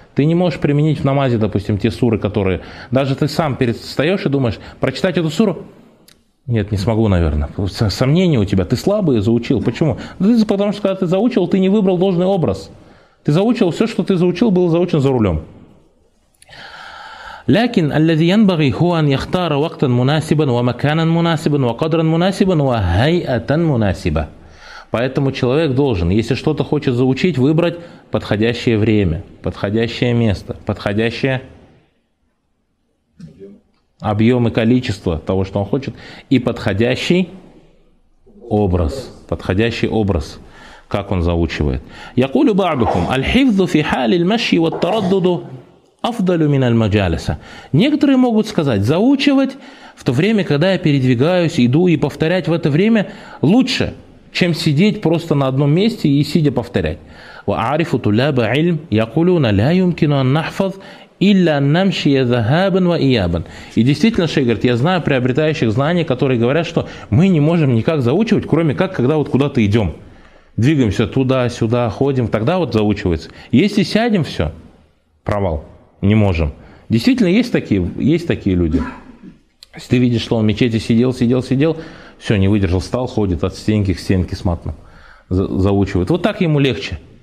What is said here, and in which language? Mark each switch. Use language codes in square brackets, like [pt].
[ru] Ты не можешь применить в намазе, допустим, те суры, которые... Даже ты сам перестаешь и думаешь, прочитать эту суру? Нет, не смогу, наверное. Сомнения у тебя, ты слабый заучил. Почему? Потому что, когда ты заучил, ты не выбрал должный образ. Ты заучил все, что ты заучил, было заучено за рулем. [ar] لكن الذي ينبغي هو أن يختار وقتا مناسبا ومكانا مناسبا وقدرا مناسبا وهيئة مناسبة. [ru] Поэтому человек должен, если что-то хочет заучить, выбрать подходящее время, подходящее место, подходящее объем и количество того, что он хочет, и подходящий образ, подходящий образ. Как он заучивает. [ar] يقول بعضهم الحفظ في حال المشي والتردد افضل من المجالس. [ru] Некоторые могут сказать, заучивать в то время, когда я передвигаюсь, иду и повторять в это время лучше, чем сидеть просто на одном месте и сидя повторять. [ar] وعارف طلاب علم يقولون لا يمكن ان نحفظ الا ان نمشي ذهابا وايابا. [ru] И действительно, шейх говорит, я знаю приобретающих знания, которые говорят, что мы не можем никак заучивать, кроме как когда вот куда-то идем. Двигаемся туда-сюда, ходим, тогда вот заучивается. Если сядем, все, провал, не можем. Действительно, есть такие люди. Если ты видишь, что он в мечети сидел, все, не выдержал, встал, ходит от стенки к стенке с матном, заучивает. Вот так ему легче.